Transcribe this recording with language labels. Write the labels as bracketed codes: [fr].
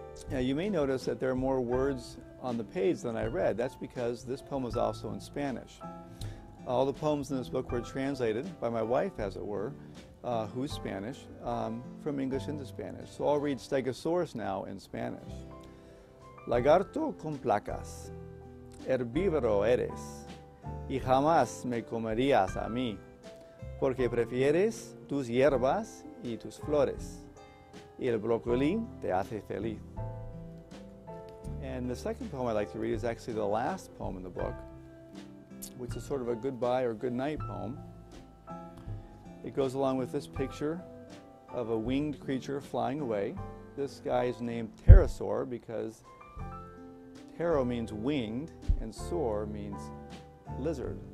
[en] Now you may notice that there are more words on the page than I read. That's because this poem is also in Spanish. All the poems in this book were translated by my wife, as it were, who's Spanish, from English into Spanish. So I'll read Stegosaurus now in Spanish. [es] Lagarto con placas, herbívoro eres, y jamás me comerías a mí, porque prefieres tus hierbas y tus flores, y el brócoli te hace feliz. [en] And the second poem I'd like to read is actually the last poem in the book, which is sort of a goodbye or goodnight poem. It goes along with this picture of a winged creature flying away. This guy is named Pterosaur because pteró means winged and saur means lizard.